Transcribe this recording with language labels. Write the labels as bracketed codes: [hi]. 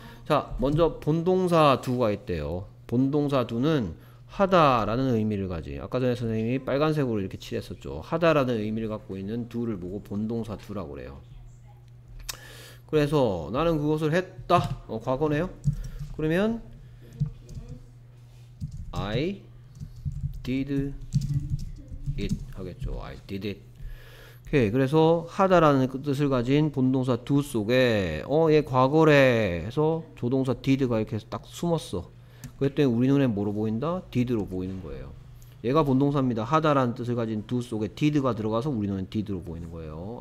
[ko] 자 먼저 본동사 do가 있대요. 본동사 do는 하다라는 의미를 가지 아까 전에 선생님이 빨간색으로 이렇게 칠했었죠. 하다라는 의미를 갖고 있는 do를 보고 본동사 do라고 그래요. 그래서 나는 그것을 했다. 과거네요. 그러면 [en] I did it [ko] 하겠죠. [en] I did it. 오케이. [ko] 그래서 하다라는 뜻을 가진 본동사 do 속에 얘 과거래 해서 조동사 did가 이렇게 해서 딱 숨었어. 그랬더니 우리 눈에 뭐로 보인다? did로 보이는 거예요. 얘가 본동사입니다. 하다라는 뜻을 가진 do 속에 did가 들어가서 우리 눈에 did로 보이는 거예요.